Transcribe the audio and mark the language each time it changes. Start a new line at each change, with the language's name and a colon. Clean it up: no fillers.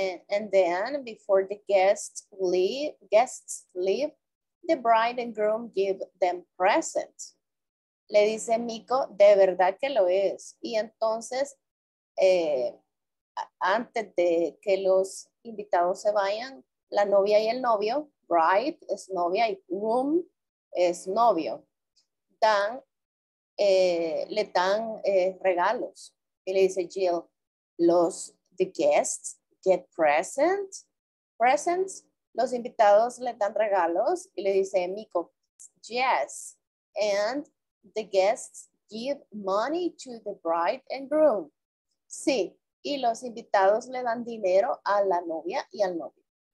English: And then, before the guests leave, the bride and groom give them presents.
Spanish: Le dice Emiko, de verdad que lo es. Y entonces, antes de que los invitados se vayan, la novia y el novio, bride es novia y groom es novio, le dan regalos. Y le dice
English: Jill, the guests get presents.
Spanish: Los invitados le dan regalos. Y le dice Emiko, yes.
English: And the guests give money to the bride and groom.
Spanish: Sí, y los invitados le dan dinero a la novia y al novio.